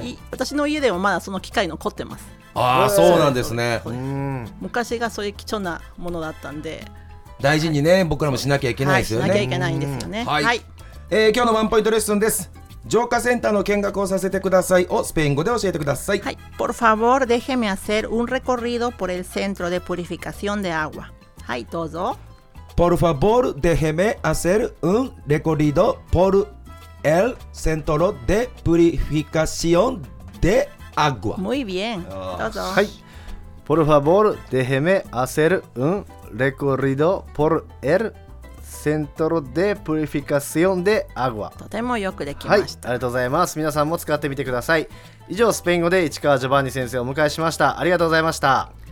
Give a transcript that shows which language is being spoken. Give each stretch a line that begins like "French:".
Japanese: ー、で私の家でもまだその機械残ってます。ああ、そうなんですね。うん、昔がそういう貴重なものだったんで大事にね、はい、僕らもしなきゃいけないですよね、はい、しなきゃいけないんですよね。はい、はい、今日のワンポイントレッスンです。浄化センターの見学をさせてくださいをスペイン語で教えてください。
Spanish: はい、por favor déjeme hacer un recorrido por el centro de purificación de agua.
Japanese: はい、どうぞ。
Spanish: por favor déjeme hacer un recorrido por el centro de purificación de agua. Muy bien.
Japanese: どうぞ。
Spanish: はい、 por favor déjeme hacer un recorrido por elセントロデプリフィカシオンデアグア。
Japanese: とてもよくできました。はい、ありがとうございます。皆さんも使ってみてください。以上、スペイン語で市川ジョバンニ先生をお迎えしました。ありがとうございました。